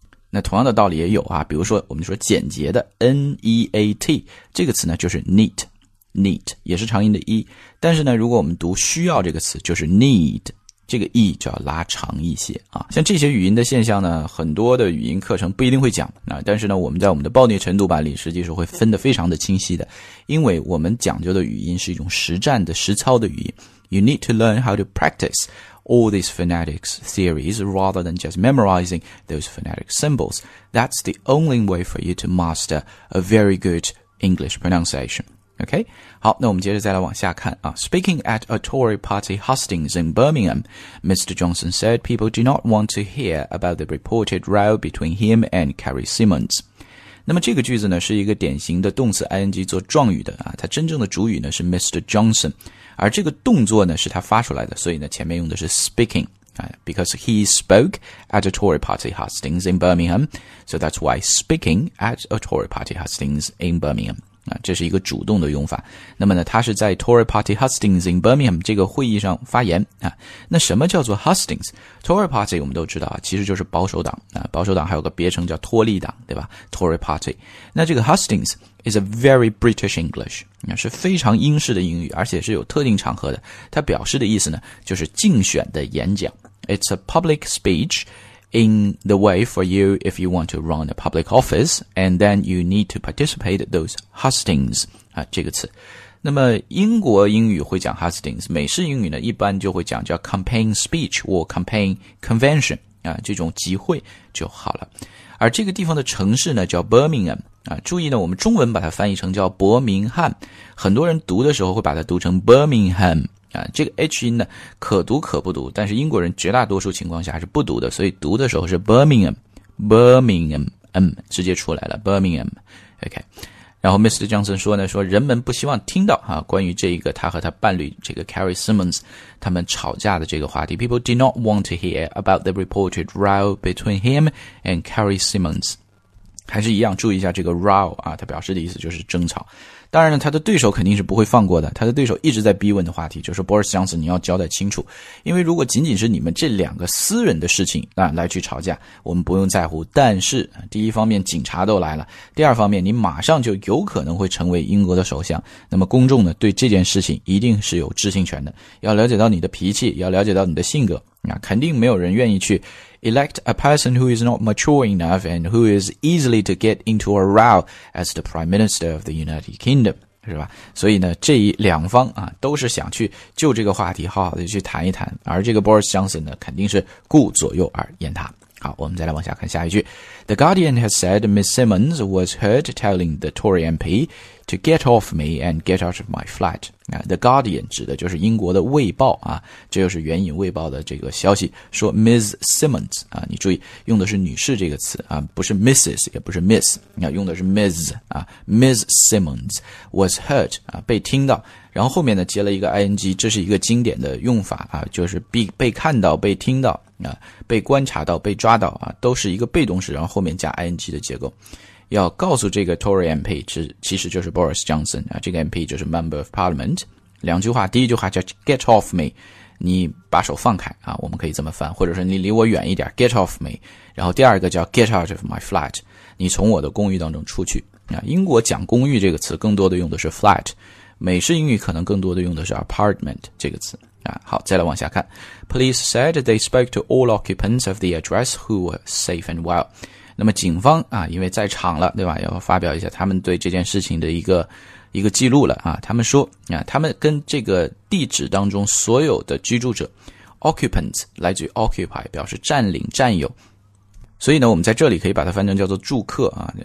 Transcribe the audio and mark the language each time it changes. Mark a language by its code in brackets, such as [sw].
[zh] 那同样的道理也有啊，比如说我们说简洁的 neat 这个词呢就是 neat， neat 也是长音的 e， 但是呢如果我们读需要这个词就是 need，这个 e 就要拉长一些啊。像这些语音的现象呢，很多的语音课程不一定会讲啊，但是呢我们在我们的暴虐晨读版里实际是会分得非常的清晰的，因为我们讲究的语音是一种实战的实操的语音。 [en] You need to learn how to practice all these phonetics theories rather than just memorizing those phonetic symbols. That's the only way for you to master a very good English pronunciationOK， [zh] 好，那我们接着再来往下看啊。 [en] Speaking at a Tory party hustings in Birmingham, Mr. Johnson said people do not want to hear about the reported row between him and Carrie Simmons. [zh] 那么这个句子呢，是一个典型的动词 ing 做状语的啊，它真正的主语呢是 Mr. [en] Johnson， [zh] 而这个动作呢是他发出来的，所以呢前面用的是 [en] speaking 啊 ，because he spoke at a Tory party hustings in Birmingham, so that's why speaking at a Tory party hustings in Birmingham. [zh] 这是一个主动的用法。那么呢他是在 Tory Party Hustings in Birmingham 这个会议上发言啊。那什么叫做 Hustings？ Tory Party 我们都知道啊，其实就是保守党啊，保守党还有个别称叫托利党，对吧？Tory Party。那这个 [en] Hustings is a very British English， [zh] 是非常英式的英语，而且是有特定场合的。它表示的意思呢就是竞选的演讲。 [en] It's a public speechIn the way for you if you want to run a public office, and then you need to participate in those hustings. [zh] 啊，这个词。那么英国英语会讲 hustings， 美式英语呢，一般就会讲叫 [en] campaign speech or campaign convention， [zh] 啊，这种集会就好了。而这个地方的城市呢叫 Birmingham， 啊，注意呢，我们中文把它翻译成叫伯明翰，很多人读的时候会把它读成 Birmingham。啊，这个 H 音呢可读可不读，但是英国人绝大多数情况下是不读的，所以读的时候是 Birmingham Birmingham、直接出来了 Birmingham OK。然后 Mr. Johnson 说呢，说人们不希望听到啊关于这一个他和他伴侣这个 Carrie Simmons 他们吵架的这个话题。 [en] People did not want to hear about the reported row between him and Carrie Simmons。 [zh] 还是一样，注意一下这个 row 啊，他表示的意思就是争吵。当然呢，他的对手肯定是不会放过的，他的对手一直在逼问的话题就是 Boris Johnson 你要交代清楚，因为如果仅仅是你们这两个私人的事情啊来去吵架我们不用在乎，但是第一方面警察都来了，第二方面你马上就有可能会成为英国的首相，那么公众呢对这件事情一定是有知情权的，要了解到你的脾气，要了解到你的性格啊，肯定没有人愿意去 [en] elect a person who is not mature enough and who is easily to get into a row as the Prime Minister of the United Kingdom， [zh] 是吧？所以呢，这一两方啊，都是想去就这个话题好好的去谈一谈，而这个 Boris Johnson 呢，肯定是顾左右而言他。好，我们再来往下看下一句。 [en] The Guardian has said Ms. Simmons was heard telling the Tory MP to get off me and get out of my flat. [zh] The Guardian 指的就是英国的卫报啊，这就是援引卫报的这个消息，说 Ms. Simmons 啊，你注意用的是女士这个词啊，不是 Mrs. 也不是 Miss， 你看用的是 Ms. 啊， [en] Ms. Simmons was heard [zh] 啊，被听到，然后后面呢接了一个 ing， 这是一个经典的用法啊，就是被看到被听到被观察到被抓到啊，都是一个被动式然后后面加 ing 的结构，要告诉这个 Tory MP 其实就是 Boris Johnson 啊，这个 MP 就是 Member of Parliament， 两句话，第一句话叫 [en] Get off me， [zh] 你把手放开啊，我们可以这么翻，或者说你离我远一点 Get off me， 然后第二个叫 [en] Get out of my flat， [zh] 你从我的公寓当中出去啊。英国讲公寓这个词更多的用的是 flat， 美式英语可能更多的用的是 apartment 这个词啊。好，再来往下看， [en] Police said they spoke to all occupants of the address who were safe and well。 [zh] 那么警方啊，因为在场了，对吧？要发表一下他们对这件事情的一个记录了啊。他们说啊，他们跟这个地址当中所有的居住者 ，occupants 来自于 occupy， 表示占领、占有。所以呢，我们在这里可以把它翻成叫做住客啊。